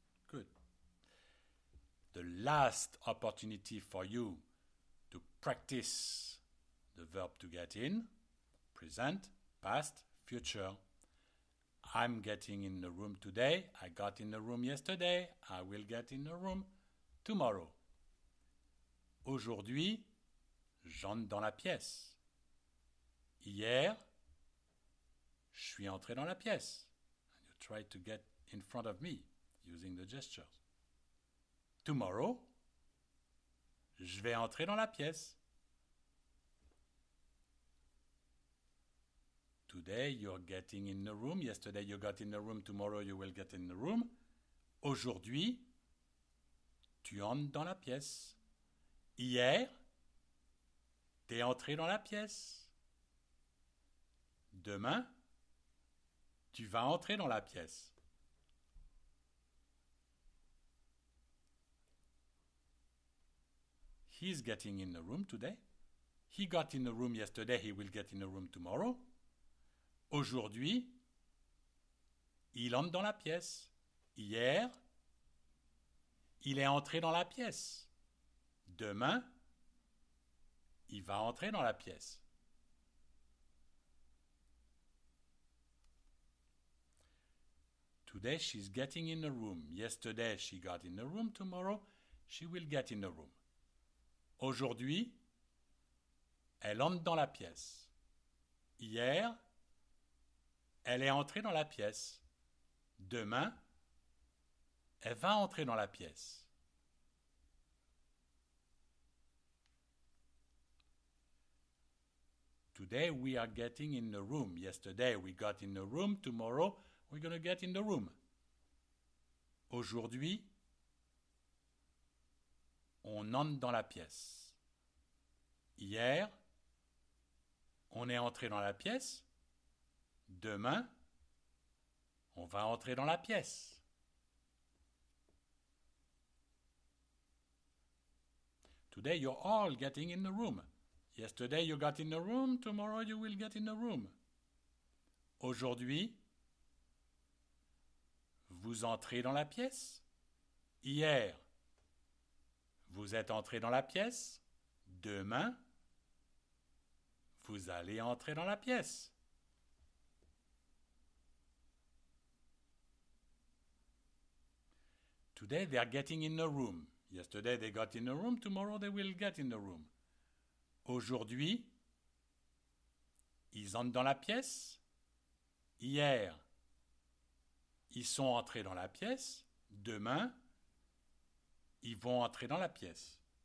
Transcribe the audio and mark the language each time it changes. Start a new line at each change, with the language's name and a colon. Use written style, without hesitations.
English: Good. The last opportunity for you to practice the verb to get in, present, past, future. I'm getting in the room today. I got in the room yesterday. I will get in the room tomorrow.
French: Aujourd'hui, j'entre dans la pièce. Hier, je suis entré dans la pièce.
English: And you try to get in front of me using the gestures. Tomorrow,
French: je vais entrer dans la pièce.
English: Today, you're getting in the room. Yesterday, you got in the room. Tomorrow, you will get in the room.
French: Aujourd'hui, tu entres dans la pièce. Hier, t'es entré dans la pièce. Demain, tu vas entrer dans la pièce.
English: He's getting in the room today. He got in the room yesterday. He will get in the room tomorrow.
French: Aujourd'hui, il entre dans la pièce. Hier, il est entré dans la pièce. Demain, il va entrer dans la pièce.
English: Today, she's getting in the room. Yesterday, she got in the room. Tomorrow, she will get in the room.
French: Aujourd'hui, elle entre dans la pièce. Hier, elle est entrée dans la pièce. Demain, elle va entrer dans la pièce.
English: Today, we are getting in the room. Yesterday, we got in the room. Tomorrow, we're going to get in the room.
French: Aujourd'hui, on entre dans la pièce. Hier, on est entré dans la pièce. Demain, on va entrer dans la pièce.
English: Today, you're all getting in the room. Yesterday, you got in the room. Tomorrow, you will get in the room.
French: Aujourd'hui, vous entrez dans la pièce. Hier, vous êtes entré dans la pièce. Demain, vous allez entrer dans la pièce.
English: Today, they are getting in the room. Yesterday, they got in the room. Tomorrow, they will get in the room.
French: Aujourd'hui, ils entrent dans la pièce. Hier, ils sont entrés dans la pièce. Demain, ils vont entrer dans la pièce.